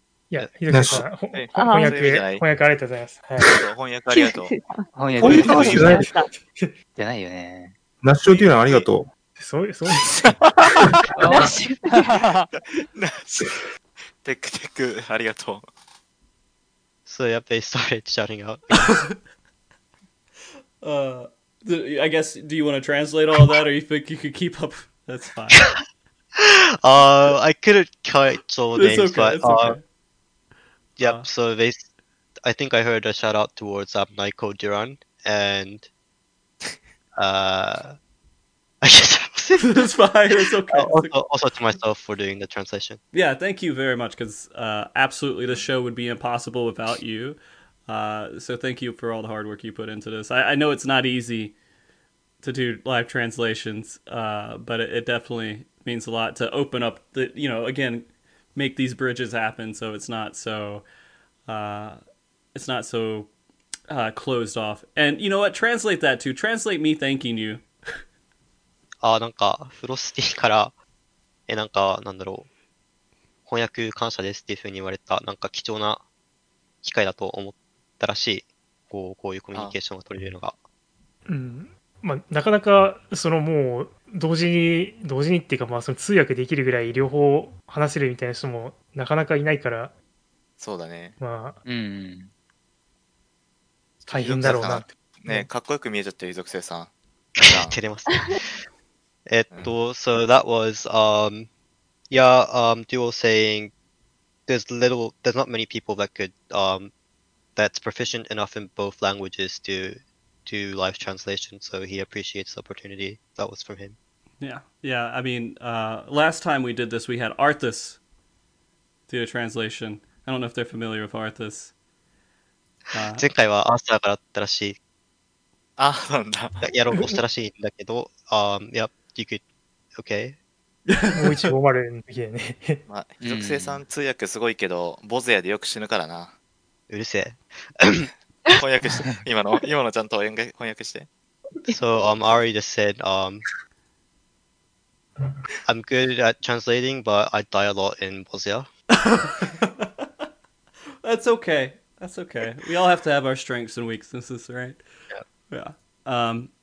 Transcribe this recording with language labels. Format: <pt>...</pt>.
<ja>いや、ひぞくせさん、翻訳ありがとうございます。翻訳ありがとうございます。翻訳ありがとう。翻訳ありがとう。じゃないよね。ナッシュデューランありがとう。そうです。ナッシュ。ナッシュ。テックテック、ありがとう。</ja> <en>So, yeah, they started shouting out. I guess, do you want to translate all that, or you think you could keep up? That's fine. I couldn't catch all the names, okay, but... Okay. Yep, so they... I think I heard a shout-out towards Nico Duran, and... I guess that was it. That's fine, it's okay. Also to myself for doing the translation. Yeah, thank you very much, because absolutely the show would be impossible without you. So thank you for all the hard work you put into this. I know it's not easy to do live translations, but it definitely means a lot to open up the, you know, again, make these bridges happen so it's not so closed off. And you know what? Translate that too. Translate me thanking you.</en> <ja>なんかフロスティからなんかなんだろう翻訳感謝ですっていうふうに言われたなんか貴重な機会だと思って。新しいこういうコミュニケーションが取れるのが、まあなかなかそのもう同時にっていうかまあその通訳できるぐらい両方話せるみたいな人もなかなかいないから、そうだね。まあ、うん、大変だろうなって。ね、かっこよく見えちゃってる、属性さん。照れます。</ja> <en>so that was Duel saying there's not many people that could that's proficient enough in both languages to do live translation, so he appreciates the opportunity. That was from him. Yeah. I mean, last time we did this, we had Arthas do a translation. I don't know if they're familiar with Arthas.</en> <ja>前回はアースターからだったらしい。あ、そうなんだ。やろうとしたらしいんだけど、</ja> <en>yep, you could, okay.</en> <ja>もう一度終わるんだけどね。まあ、属性さん通訳すごいけど、ボゼヤでよく死ぬからな。うるせえ。翻訳して、今のちゃんと翻訳して。</ja> <en>So, Ari just said, I'm good at translating, but I die a lot in Bosnia. That's okay. We all have to have our strengths and weaknesses, right? Yeah. Yeah.</en>